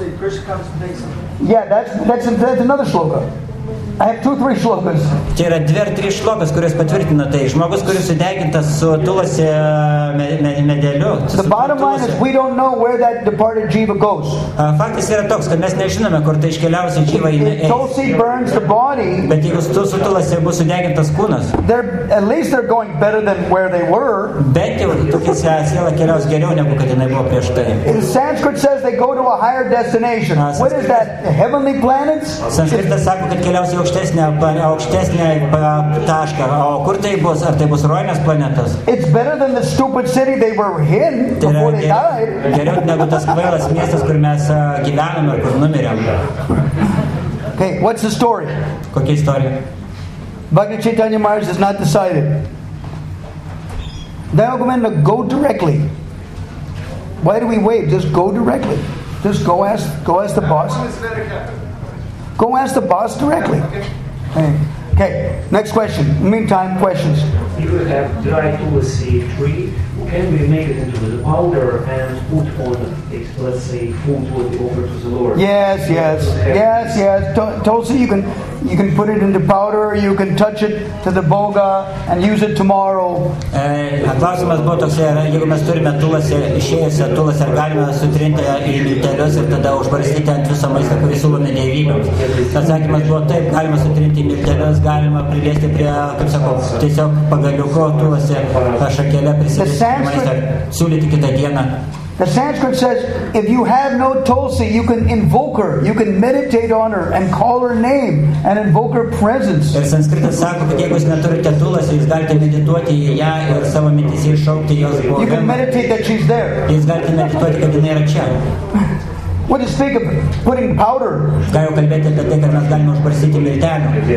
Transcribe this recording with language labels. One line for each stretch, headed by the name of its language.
English: Yeah, that's another shloka. I have 2-3 shlokas.
Lithuanian: Tai yra 2-3 šlokas, kurios patvirtina tai. Žmogus, kuris sudegintas su tulsi medeliu.
English: The bottom line is we don't know where that departed jiva goes.
Lithuanian: Faktas yra toks, kad mes nežinome, kur tai iškeliausia jiva eina.
English: Tulsi burns the body.
Lithuanian: Bet jeigu su tulsi bus sudegintas kūnas.
English: At least they're going better than where they were.
Lithuanian: Bet jau tulsi siela keliaus geriau, negu kad jinai buvo prieš tai.
English: The Sanskrit says they go to a higher destination. What is that? The heavenly planets?
Lithuanian: Sanskritas sako, kad keliaus aukštesnė tašką. O kur tai bus? Ar tai bus rojinės planetos?
English: It's better than the stupid city they were in before they died.
Lithuanian: Geriau negu tas kvailas miestas, kur mes gyvenam ir kur numirėm.
English: Okay, what's the story?
Lithuanian: Kokia istorija?
English: Bhakti Chaitanya Maharaj has not decided. They recommend to go directly. Why do we wait? Just go directly. Just go ask the boss. Go ask the boss directly. Yeah, okay. Okay, next question. Meantime, questions. You have dried tulsi tree. Can we make it into the powder and put on it, let's say, food to offer to the Lord? Yes, yes. Yes, yes. Tulsi, you can put it into powder, you can touch it to the boga and use it tomorrow.
Lithuanian: Klausimas buvo toks, jeigu mes turime tulsi išėjusią tulsi, ar galime sutrinti į miltelius ir tada užbarstyti ant viso maisto, kurį siūlome dievybėms. Atsakymas buvo taip, galima sutrinti į miltelius, galima priliesti prie, kaip sako, tiesiog pagaliuko tulsi šakelę prisidėti į maistą, siūlyti kitą dieną.
English: The Sanskrit says, if you have no tulsi, you can invoke her, you can meditate on her and call her name and invoke her presence.
Lithuanian: Ir Sanskritas sako, kad jeigu jūs neturite tulsi, jūs galite medituoti į ją ir savo mintis iššaukti jos buvimą.
English: You can meditate that she's there.
Lithuanian: Jūs galite medituoti, kad jinai yra čia.
English: What do you think of putting powder?
Lithuanian: Ką jau kalbėti apie tai, kad mes galime užbarstyti miltelių.